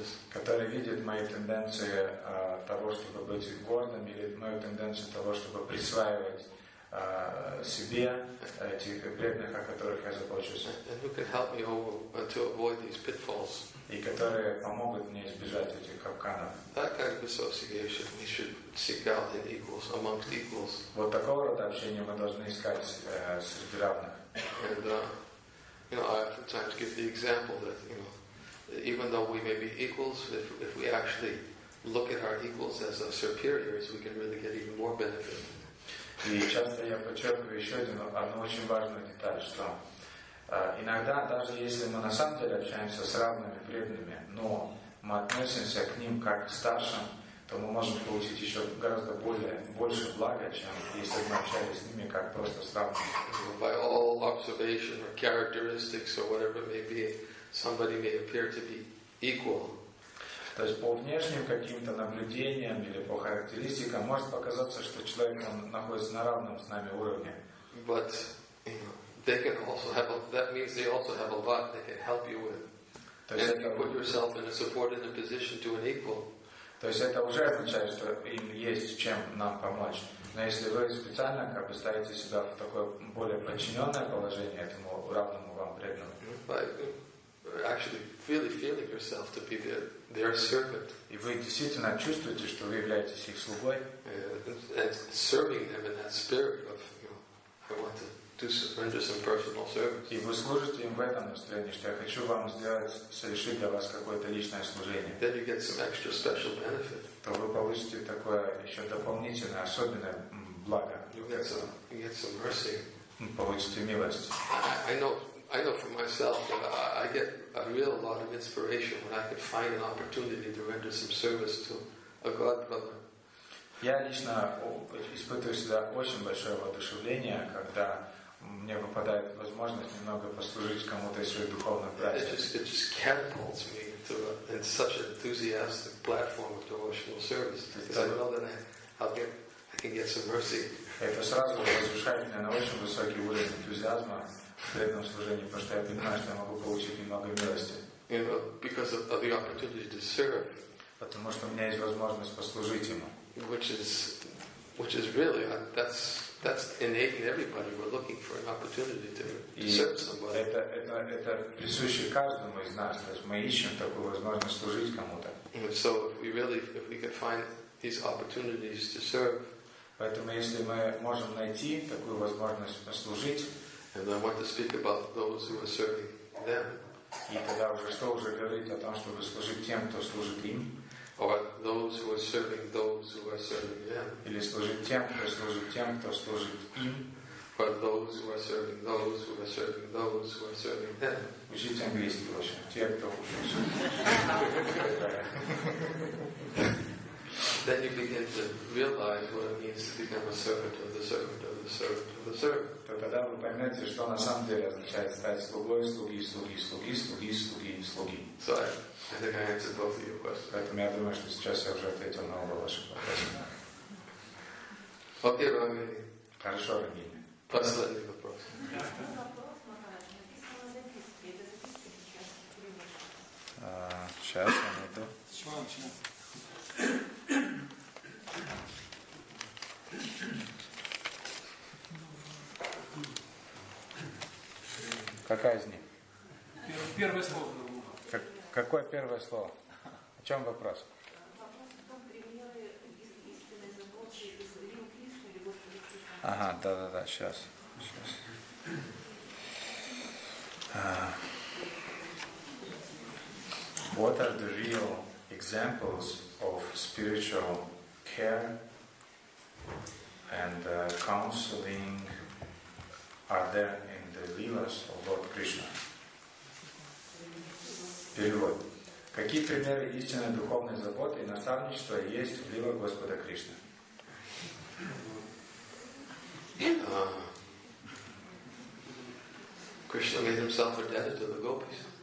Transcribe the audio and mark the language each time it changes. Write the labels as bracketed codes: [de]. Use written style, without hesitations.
[ru] Которые видят мои тенденции того, чтобы быть гордым, или мою тенденцию того, чтобы присваивать себе этих бедных, о которых я забочусь. И которые помогут мне избежать этих капканов. [en] That kind of association we should seek out in equals, amongst equals. [ru] Вот такого рода общения мы должны искать среди равных. [en] And you know, I oftentimes give the example that, you know, even though we may be equals, if we actually look at our equals as our superiors, we can really get even more benefit. [ru] И часто я подчеркиваю еще одну очень важную деталь, что иногда, даже если мы на самом деле общаемся с равными преданными, но мы относимся к ним как к старшим, то мы можем получить еще гораздо больше блага, чем если мы общались с ними как просто с равными. [en] By all observation or characteristics or whatever may be, somebody may appear to be equal. [ru] То есть по внешним каким-то наблюдениям или по характеристикам может показаться, что человек находится на равном с нами уровне. [en] But, you know, they can also have that means they also have a lot they can help you with. [ru] То есть это [en] put yourself in a supportive position to an equal. [ru] То есть это уже означает, что им есть чем нам помочь. Но если вы специально как бы ставите себя в такое более подчиненное положение этому равному вам преданному. [en] Actually really feeling yourself to be their servant. [ru] И вы действительно чувствуете, что вы являетесь их слугой. [en] And serving them in that spirit of, you know, I want to to render some personal service. [ru] И вы служите им в этом настроении, что я хочу вам сделать, совершить для вас какое-то личное служение. [en] Then you get some extra special benefit. [ru] То вы получите такое еще дополнительное, особенное благо. [en] You get some mercy. [ru] Получите милость. [en] I know for myself that I get a real lot of inspiration when I can find an opportunity to render some service to a god brother. [ru] Я лично испытываю всегда очень большое воодушевление, когда мне выпадает возможность немного послужить кому-то из своих духовных братьев. [en] It just catapults me into such an enthusiastic platform of devotional service. Because I know that I can get some mercy. [ru] Это сразу возвышает меня на очень высокий уровень энтузиазма в преданном служении, потому что я понимаю, что я могу получить немного милости. [en] You know, because of the opportunity to serve. [ru] Потому что у меня есть возможность послужить ему. [en] Which is really, that's innate in everybody. We're looking for an opportunity to serve somebody. [ru] Это присуще каждому из нас. То есть мы ищем такую возможность служить кому-то. [en] So if we can find these opportunities to serve, [ru] поэтому если мы можем найти такую возможность послужить, [en] and I want to speak about those who are serving them. [ru] И тогда уже что уже говорить о том, чтобы служить тем, кто служит им. [en] Or those who are serving those who are serving them. [ru] Или служить тем, кто служит тем, кто служит им. [en] Or those who are serving those who are serving those who are serving them. [ru] Учите английский, в общем, те, кто служит. [en] Then you begin to realize what it means to become a servant of the servant of the servant of the servant. [ru] То тогда вы поймете, что на самом деле означает стать слугой, слуги, слуги, слуги, слуги, слуги, слуги. [en] So I think I answered both of your questions. [ru] Поэтому я думаю, что сейчас я уже ответил на оба ваши вопроса. Окей, Рамини. Хорошо, Рамини. Последний вопрос. Сейчас, минуту. [en] Thank you. [ru] Какая из них? Первое слово. Какое первое слово? О чем вопрос? Вопрос в том, примеры истинной заботы из Рио Кришны или Господи Кришны. Ага, да-да-да, сейчас. [en] What are the real examples of spiritual care and counseling are there in the lilas of Lord Krishna? [ru] Перевод. Какие примеры истинной духовной заботы и наставничества есть в лилах Господа Кришны? [en] Krishna made himself indebted to the gopis.